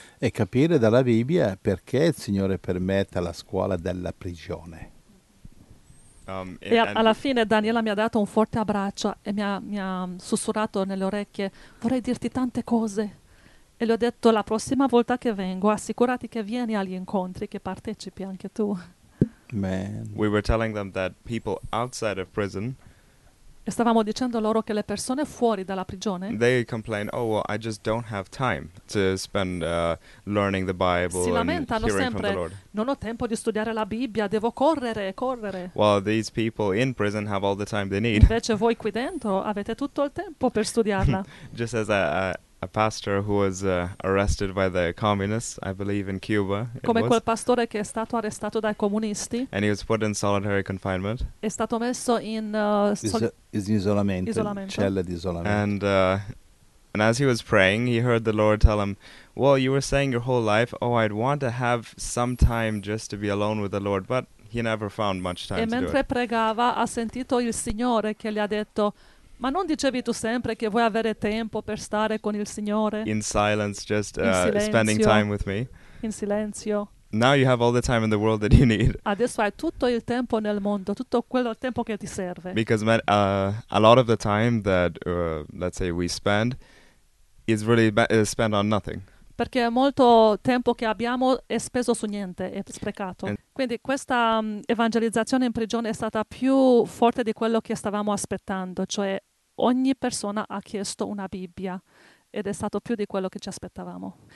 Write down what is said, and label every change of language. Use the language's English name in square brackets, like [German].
[Italian] E capire dalla Bibbia perché il Signore permette la scuola della prigione. Alla fine Daniela mi ha dato un forte abbraccio e mi ha sussurrato nelle orecchie, vorrei dirti tante cose. E le ho detto, la prossima volta che vengo, assicurati che vieni agli incontri, che partecipi anche tu. [English] Man. We were telling them that people outside of prison, [Italian] e stavamo dicendo loro che le persone fuori dalla prigione, [English] they complain, oh well, I just don't have time to spend learning the Bible and hearing from the Lord. [Italian] Si lamentano sempre, non ho tempo di studiare la Bibbia, devo correre. [English] Well, these people in prison have all the time they need. [Italian] Invece voi qui dentro avete tutto il tempo per studiarla. [English] Just as a pastor who was arrested by the communists, I believe in Cuba. [Italian] Come [English] was. [Italian] Quel pastore che è stato arrestato dai comunisti. [English] And he was put in solitary confinement. [Italian] È stato messo in isolamento. Cella di isolamento. [English] And as he was praying, he heard the Lord tell him, well, you were saying your whole life, oh, I'd want to have some time just to be alone with the Lord, but he never found much time to do it. [Italian] E mentre pregava, ha sentito il Signore che gli ha detto, ma non dicevi tu sempre che vuoi avere tempo per stare con il Signore? [English] In silence, just [Italian] in silenzio, [English] spending time with me. [Italian] In silenzio. [English] Now you have all the time in the world that you need. [Italian] Adesso hai tutto il tempo nel mondo, tutto quello tempo che ti serve. [English] Because a lot of the time that, let's say, we spend, is really spent on nothing. [Italian] Perché molto tempo che abbiamo è speso su niente, è sprecato. Quindi questa evangelizzazione in prigione è stata più forte di quello che stavamo aspettando. Cioè ogni persona ha chiesto una Bibbia ed è stato più di quello che ci aspettavamo.